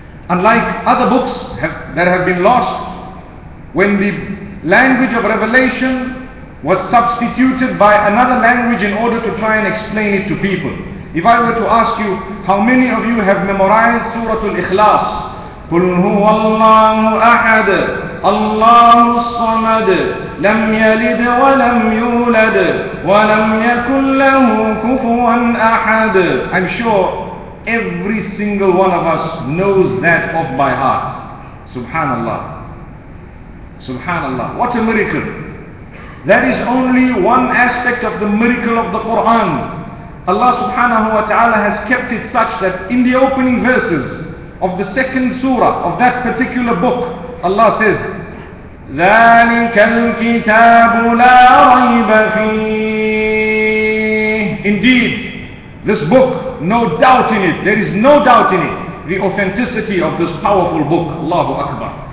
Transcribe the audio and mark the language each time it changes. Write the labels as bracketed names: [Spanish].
[English] Unlike other books that have been lost, when the language of revelation was substituted by another language in order to try and explain it to people. If I were to ask you, how many of you have memorized Surah Al-Ikhlas? [Arabic] قُلْ هُوَ اللَّهُ أَحَدٌ اللَّهُ الصَّمَدُ لَمْ يَلِدْ وَلَمْ يُولَدْ وَلَمْ يَكُنْ لَهُ كُفُوًا أَحَدٌ [English] I'm sure every single one of us knows that off by heart. Subhanallah. Subhanallah. What a miracle. That is only one aspect of the miracle of the Quran. Allah subhanahu wa ta'ala has kept it such that in the opening verses of the second surah of that particular book, Allah says, [Arabic] ذَلِكَ الْكِتَابُ لَا رَيْبَ فِيهِ [English] Indeed, this book, no doubt in it, there is no doubt in it, the authenticity of this powerful book, Allahu Akbar.